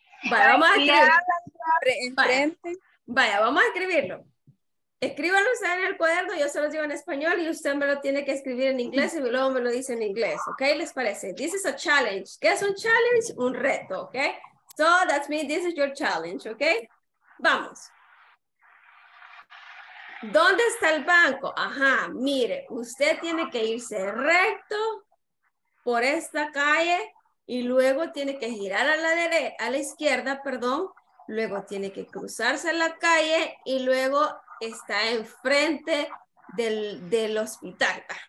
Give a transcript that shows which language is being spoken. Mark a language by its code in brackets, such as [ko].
[es] Vale, vamos a escribir. Enfrente. Vaya, vamos a escribirlo. Escríbalo usted en el cuaderno, yo se lo digo en español y usted me lo tiene que escribir en inglés y luego me lo dice en inglés, ¿ok? ¿Les parece? [en] This is a challenge. [es] ¿Qué es un challenge? Un reto, ¿ok? [en] So, that's me, this is your challenge, ¿ok? [es] Vamos. ¿Dónde está el banco? Ajá, mire, usted tiene que irse recto por esta calle y luego tiene que girar a la derecha, a la izquierda, perdón. Luego tiene que cruzarse la calle y luego está enfrente del hospital.